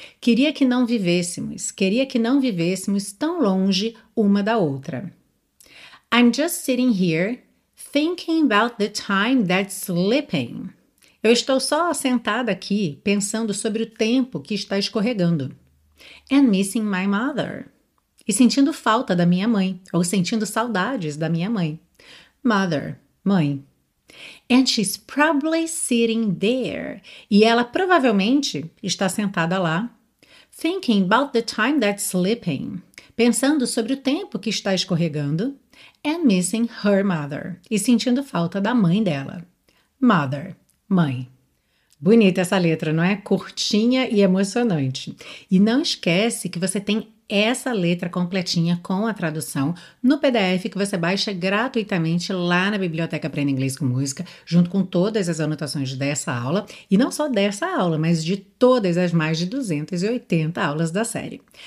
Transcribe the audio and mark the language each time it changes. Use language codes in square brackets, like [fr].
[pt] Queria que não vivêssemos tão longe uma da outra. [en] I'm just sitting here thinking about the time that's slipping. [pt] Eu estou só sentada aqui pensando sobre o tempo que está escorregando. [en] And missing my mother. [pt] E sentindo falta da minha mãe, ou sentindo saudades da minha mãe. Mother, mãe. [en] And she's probably sitting there. [pt] E ela provavelmente está sentada lá. [en] Thinking about the time that's slipping. [pt] Pensando sobre o tempo que está escorregando. [en] And missing her mother. [pt] E sentindo falta da mãe dela. Mother, mãe. Bonita essa letra, não é? Curtinha e emocionante. E não esquece que você tem essa letra completinha com a tradução no PDF que você baixa gratuitamente lá na Biblioteca Aprenda Inglês com Música, junto com todas as anotações dessa aula, e não só dessa aula, mas de todas as mais de 280 aulas da série.